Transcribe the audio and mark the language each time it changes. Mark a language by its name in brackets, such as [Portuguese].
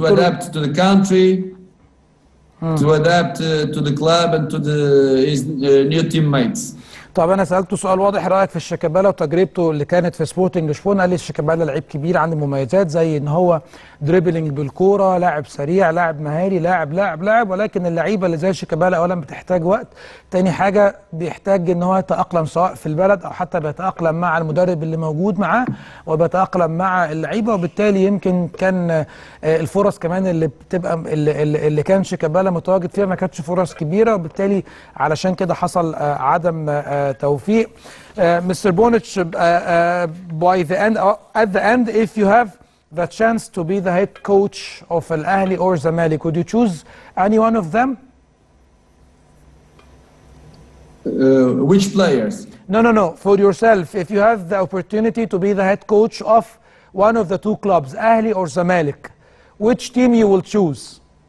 [English] to adapt to the country, to adapt to the club and to the his new teammates. [Arabic] طيب انا سالته سؤال واضح، رايك في شيكابالا وتجربته اللي كانت في سبورتنج لشبونه؟ قال لي شيكابالا لعيب كبير عنده مميزات زي ان هو دريبلينج بالكوره، لاعب سريع، لاعب مهاري، لاعب لاعب لاعب، ولكن اللعيبه اللي زي شيكابالا اولا بتحتاج وقت، تاني حاجه بيحتاج ان هو يتاقلم سواء في البلد او حتى بيتاقلم مع المدرب اللي موجود معاه وبيتاقلم مع اللعيبه، وبالتالي يمكن كان الفرص كمان اللي بتبقى اللي كان شيكابالا متواجد فيها ما كانتش فرص كبيره، وبالتالي علشان كده حصل عدم توفيق. [English] Mr. Bonich, by the end, at the end, if you have the chance to be the head coach of Al Ahli or Zamalek, would you choose any one of them? Which players? No. For yourself, if you have the opportunity to be the head coach of one of the two clubs, Ahli or Zamalek, which team you will choose?